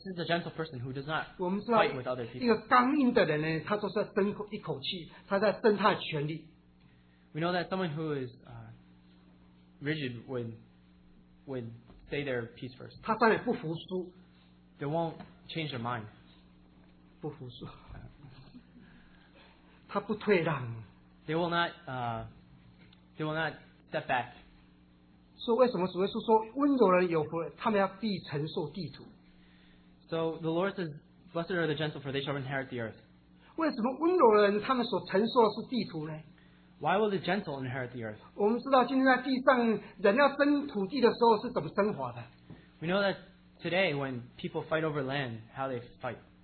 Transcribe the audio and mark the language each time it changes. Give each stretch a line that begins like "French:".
English: is a gentle person who does not fight with other people.
Chinese: 一个刚硬的人呢，他就是争一口气，他在争他的权利。
English: We know that someone who is rigid would say their piece first.
Chinese: 他当然不服输,
English: they won't change their mind.
Chinese: 不服输, 他不退让,
English: they will not step back.
Chinese: 所以为什么主耶稣说温柔人有福，他们要必承受地土。
English: So the Lord says, "Blessed are the gentle, for they shall inherit the earth."
Chinese: 为什么温柔人他们所承受的是地土呢？
English: Why will the gentle inherit the earth?
Chinese: 我们知道今天在地上人要争土地的时候是怎么争法的。
English: We know that today when people fight over land, how they fight.